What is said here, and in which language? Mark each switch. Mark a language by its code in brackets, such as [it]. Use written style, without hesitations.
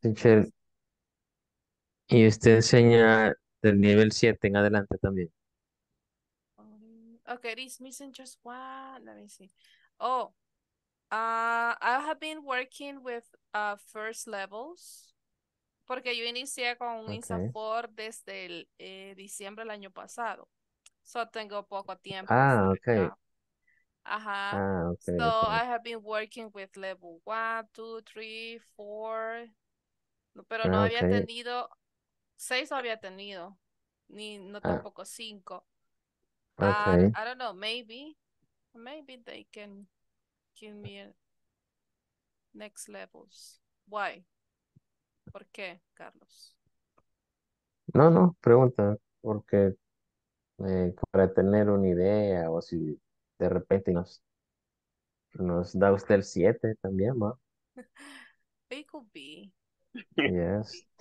[es] Teacher, y usted enseña del nivel 7 en adelante también. [en] Okay, it is missing just one. Let me see. Oh, I have been working with first levels. [es] Porque yo inicié con un INSAFOR desde el diciembre del año pasado. So tengo poco tiempo. Ah, okay. Uh-huh. Ah, okay, so okay. [en] I have been working with level 1, 2, 3, 4. [es] Pero no había tenido 6, no había tenido ni no tampoco 5. Okay. [en] I don't know, maybe they can give me next levels. Why? [es] ¿Por qué, Carlos? No, pregunta, porque para tener una idea o si de repente nos da usted el 7 también, ¿no? [en] It could be. Yes.